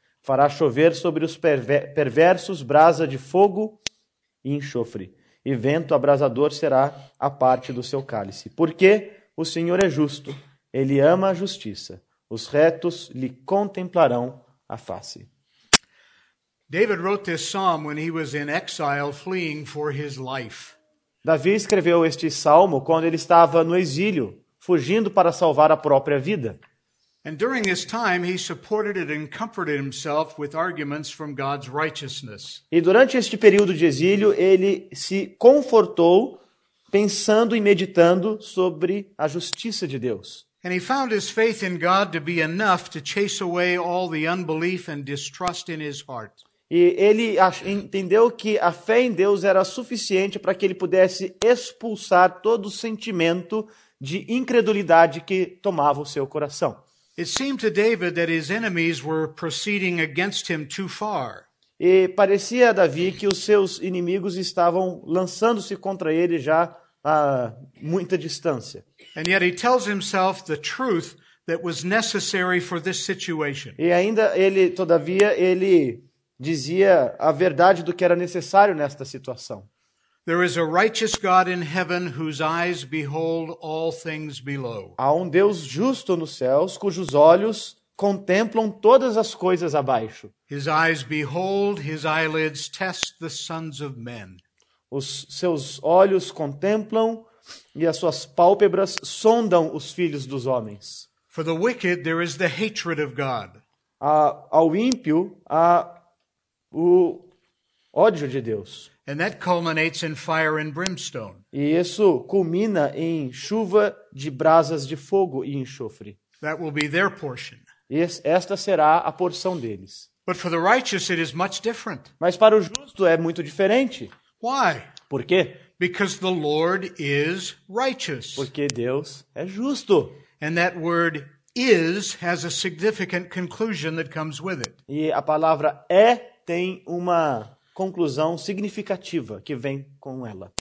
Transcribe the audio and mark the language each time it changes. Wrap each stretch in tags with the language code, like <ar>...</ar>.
<pt>Fará chover sobre os perversos brasa de fogo e enxofre, e vento abrasador será a parte do seu cálice. Porque o Senhor é justo, ele ama a justiça, os retos lhe contemplarão a face.</pt> <en>David wrote this psalm when he was in exile, fleeing for his life.</en> <pt>Davi escreveu este salmo quando ele estava no exílio, fugindo para salvar a própria vida.</pt> <en>And during this time, he supported it and comforted himself with arguments from God's righteousness.</en> <pt>E durante este período de exílio, ele se confortou pensando e meditando sobre a justiça de Deus.</pt> <en>And he found his faith in God to be enough to chase away all the unbelief and distrust in his heart.</en> <pt>E ele entendeu que a fé em Deus era suficiente para que ele pudesse expulsar todo o sentimento de incredulidade que tomava o seu coração.</pt> <en>It seemed to David that his enemies were proceeding against him too far.</en> <pt>E parecia a Davi que os seus inimigos estavam lançando-se contra ele já a muita distância.</pt> <en>And yet he tells himself the truth that was necessary for this situation.</en> <pt>E ainda ele, todavia, ele dizia a verdade do que era necessário nesta situação.</pt> <en>There is a righteous God in heaven whose eyes behold all things below.</en> <pt>Há um Deus justo nos céus cujos olhos contemplam todas as coisas abaixo.</pt> <en>His eyes behold, his eyelids test the sons of men.</en> <pt>Os seus olhos contemplam e as suas pálpebras sondam os filhos dos homens.</pt> <en>For the wicked there is the hatred of God.</en> <pt>Ao ímpio há o ódio de Deus.</pt> <en>And that culminates in fire and brimstone.</en> <pt>E isso culmina em chuva de brasas de fogo e enxofre.</pt> <en>That will be their portion.</en> <pt>Esta será a porção deles.</pt> <en>But for the righteous, it is much different.</en> <pt>Mas para o justo é muito diferente.</pt> <en>Why?</en> <pt>Por quê?</pt> <en>Because the Lord is righteous.</en> <pt>Porque Deus é justo.</pt> <en>And that word is has a significant conclusion that comes with it.</en> <pt>E a palavra é tem uma conclusão significativa que vem com ela.</pt>